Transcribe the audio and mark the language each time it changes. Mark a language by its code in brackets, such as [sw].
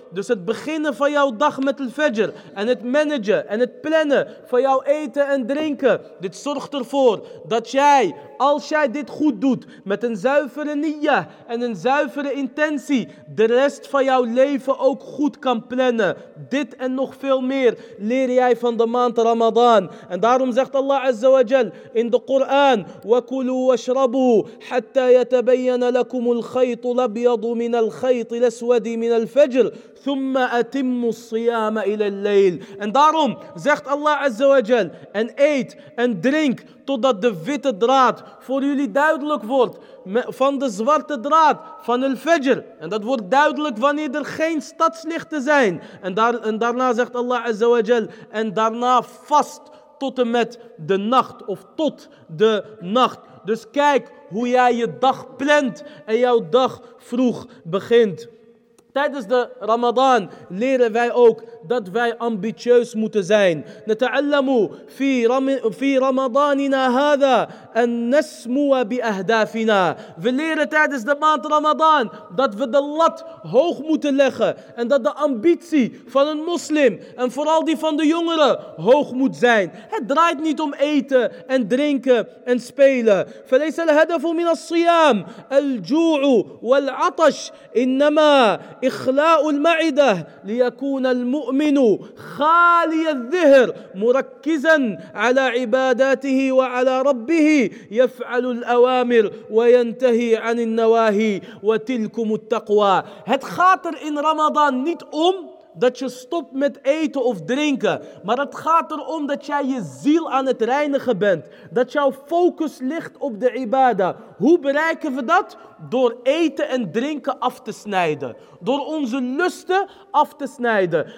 [nl] Dus het beginnen van jouw dag met het fajr en het managen en het plannen van jouw eten en drinken. Dit zorgt ervoor dat jij, als jij dit goed doet met een zuivere niyya en een zuivere intentie, de rest van jouw leven ook goed kan plannen. Dit en nog veel meer leer jij van de maand Ramadan. En daarom zegt Allah azza wa jal in de Koran, [ar] وَكُلُوا وَشْرَبُوا حَتَّى يَتَبَيَّنَ لَكُمُ الْخَيْطُ الْأَبْيَضُ مِنَ الْخَيْطِ الْأَسْوَدِ مِنَ الْفَجْرِ ثُمَّ أَتِمُّ الصِّيَامَ إِلَى اللَّيْلِ. [nl] En daarom zegt Allah azza wa jal, en eet en drink totdat de witte draad voor jullie duidelijk wordt van de zwarte draad van de fajr. En dat wordt duidelijk wanneer er geen stadslichten zijn. En daarna zegt Allah azza wa jal, en daarna vast tot en met de nacht. Of tot de nacht. Dus kijk hoe jij je dag plant en jouw dag vroeg begint. Tijdens de Ramadan leren wij ook dat wij ambitieus moeten zijn. [ar] نتعلم في رمضاننا هذا أن نسمو بأهدافنا. [nl] We leren tijdens de maand Ramadan dat we de lat hoog moeten leggen. En dat de ambitie van een moslim en vooral die van de jongeren hoog moet zijn. Het draait niet om eten en drinken en spelen. [ar] فليس الهدف من الصيام الجوع والعطش إنما إخلاء المعدة ليكون المؤمن خالي الذهر مركزا على عباداته وعلى ربه يفعل الأوامر وينتهي عن النواهي وتلكم التقوى. [nl] Het gaat er in Ramadan niet om dat je stopt met eten of drinken. Maar het gaat erom dat jij je ziel aan het reinigen bent. Dat jouw focus ligt op de ibadah. Hoe bereiken we dat? Door eten en drinken af te snijden. Door onze lusten af te snijden.